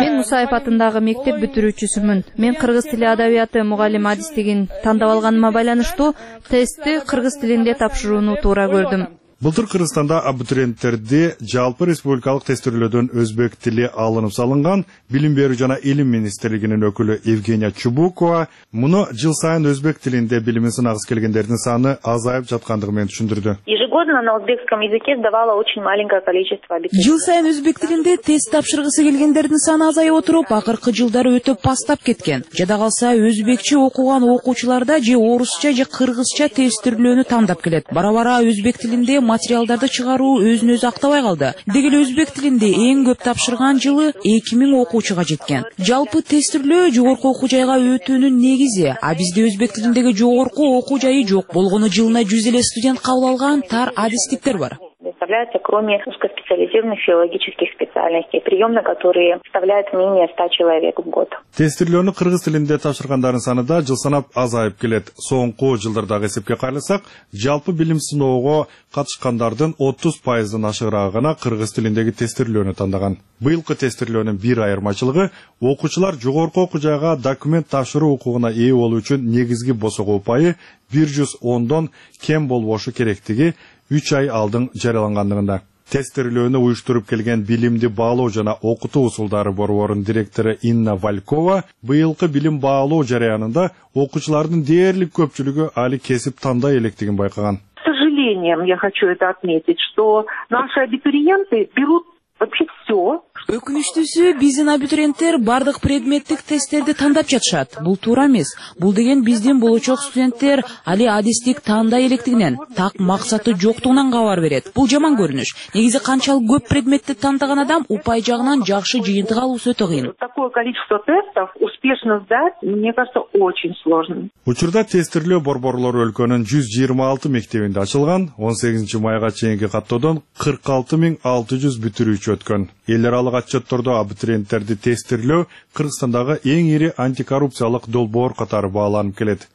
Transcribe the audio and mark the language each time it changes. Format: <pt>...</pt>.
<ky>мен Мусаев атындагы мектеп бүтүрүүчүсүмүн. Мен кыргыз тили адабияты мугалими адистигин тандап алганыма байланыштуу тестти кыргыз тилинде тапшырууну туура көрдүм. Былтыр Кыргызстанда абитуриенттерди жалпы республикалык тестирлөөдөн өзбек тили алынып салынган. Билим берүү жана илим министрлигинин өкүлү Евгения Чубукова муну жыл сайын өзбек тилинде билимин сынагысы келгендердин саны азайып жаткандыгы менен түшүндүрдү.</ky> <ru>Ежегодно на узбекском языке сдавало очень маленькое количество абитуриентов.</ru> <ky>Жыл сайын өзбек тилинде тест тапшыргысы келгендердин саны азайып отуруп, акыркы жылдары өтө пастап кеткен. Жада калса, өзбекче окуган окуучуларда же орусча же кыргызча тестирлөөнү тандап келет. Бара-бара өзбек тилинде материалдарды чыгаруу өзүн өзү актабай калды. Деги эле өзбек тилинде эң көп тапшырган жылы 2000 окуучуга жеткен. Жалпы тестирлөө жогорку окуу жайга өтүүнүн негизи, а бизде өзбек тилиндеги жогорку окуу жайы жок. Болгону жылына 100 эле студент кабыл алган тар адистиктер бар.</ky> <ru>Представляется, кроме узкоспециализированных филологических специальностей, приемы, которые составляют менее 100 человек в год.</ru> <ky>Тестирлөөнү кыргыз тилинде тапшыргандардын саны да жыл санап азайып келет. Соңку жылдардагы эсепке кайрылсак, жалпы билим сыноого катышкандардын 30%дан ашыгыраагы гана кыргыз тилиндеги тестирлөөнү тандаган. Быйылкы тестирлөөнүн бир айырмачылыгы окуучулар жогорку окуу жайга документ тапшыруу укугуна ээ болуу үчүн негизги босогоо упайы 110%дон кем болбошу керектиги 3 ай алдын жарыялангандыгында. Тестирлөөнү уюштуруп келген билимди баалоо жана окутуу усулдары борборунун директору Инна Валькова быйылкы билим баалоо жарыянында окуучулардын дээрлик көпчүлүгү али кесип тандай электигин байкаган.</ky> <ru>К сожалению, я хочу это отметить, что наши абитуриенты берут вообще все.</ru> <ky>Өкүнүчтүүсү, биздин абитуриенттер бардык предметтик тесттерди тандап жатышат. Бул туура эмес. Бул деген биздин болочок студенттер али адистик тандай электигинен, так максаты жоктугунан кабар берет. Бул жаман көрүнүш. Негизи канчалык көп предметти тандаган адам упай жагынан жакшы жыйынтык алуусу өтө кыйын.</ky> <ru>Такое количество тестов успешно сдать, мне кажется, очень сложно.</ru> <ky>Учурда тестирлөө борборлору өлкөнүн 126 мектебинде ачылган. 18 майга чейинки каттоодон 46600 бүтүрүүчү өткөн. Алык отчетторду абитуриенттерди тестирлөө Кыргызстандагы эң ири антикоррупциялык долбоор катары бааланып келет.</ky>